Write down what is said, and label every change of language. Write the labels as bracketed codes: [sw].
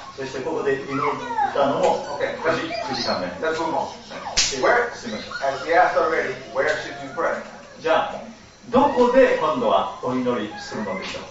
[ja] そしてここで祈ったのも9時間目。 [en] Let's move on. [ja] すみません。 [en] As he asked already, where should you pray? [ja] じゃあ、どこで今度はお祈りするのでしょう。